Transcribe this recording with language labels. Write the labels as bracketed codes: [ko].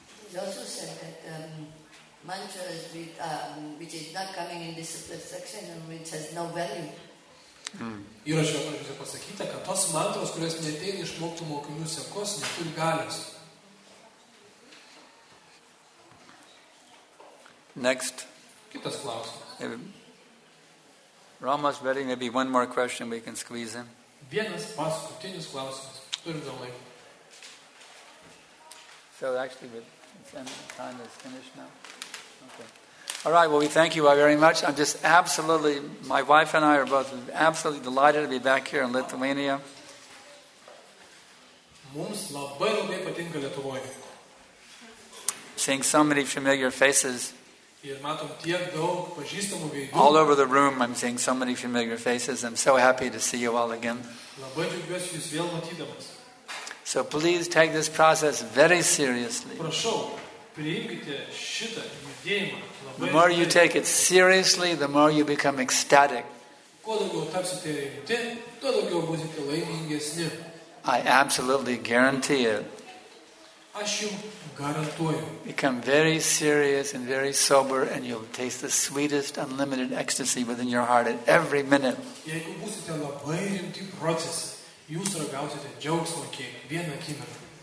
[en] He also said that mantras with, which is not coming in discipline section and which has no value. [lt] Yra šio pradžiose pasakyta, kad tos mantras, kurias neteina iš mokymų mokinių sekos, neturi galios. [en] Next. [lt] Kitas klausimas. [en] Ramas, ready, maybe one more question we can squeeze in. [lt] Vienas paskutinis klausimas. Turim dėl laiko. [en] So actually, with time is finished now. Okay. All right, well, we thank you all very much. I'm just absolutely, my wife and I are both absolutely delighted to be back here in Lithuania. [lt] Mums labai labai patinka Lietuvoje. [en] Seeing so many familiar faces. [lt] Ir matom tiek daug pažįstamų veidų. [en] All over the room, I'm seeing so many familiar faces. I'm so happy to see you all again. [lt] Labai džiaugiuosi jūs vėl matydamas. [en] So please take this process very seriously. [lt] Prašau, priimkite šitą judėjimą. [en] The more you take it seriously, the more you become ecstatic. [lt] Kuo daugiau tapsite rimti, tuo daugiau būsite laimingesni. [en] I absolutely guarantee it. [lt] Aš jum garantuoju. [en] Become very serious and very sober and you'll taste the sweetest unlimited ecstasy within your heart at every minute. [lt] Jeigu būsite labai rimti procese, jūs ragausite džiaugsmą kiekvieną akimirką.